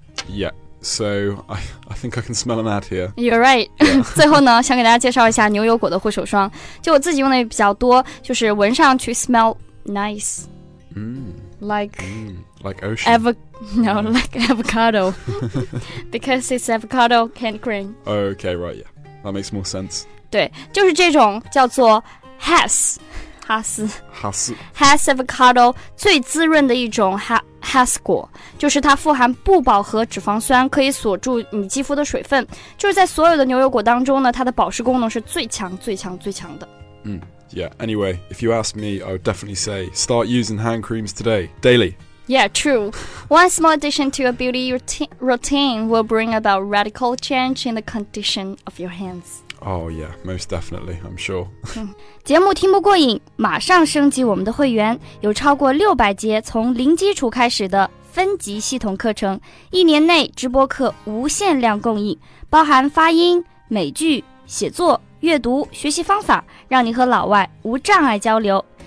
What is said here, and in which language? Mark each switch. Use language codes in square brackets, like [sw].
[en] Yeah, so I think I can smell an ad here. You're right.、Yeah. [zh] 最后呢，想给大家介绍一下牛油果的护手霜。就我自己用的比较多，就是闻上去 [en] smell nice. Like ocean. Like avocado. Because it's avocado hand cream. Okay, right, yeah. That makes more sense. [zh] 对，就是这种叫做 Hass. Hass avocado 最滋润的一种 Hass 果，就是它富含不饱和脂肪酸，可以锁住你肌肤的水分，就是在所有的牛油果当中呢，它的保湿功能是最强最强最强的。 [en] Yeah, anyway, if you ask me, I would definitely say start using hand creams today, daily. Yeah, true. One small addition to your beauty routine will bring about radical change in the condition of your hands. Oh yeah, most definitely, I'm sure. [zh] 节目听不过瘾，马上升级我们的会员，有超过600节从零基础开始的分级系统课程，一年内直播课无限量供应，包含发音、美剧、写作、阅读、学习方法，让你和老外无障碍交流。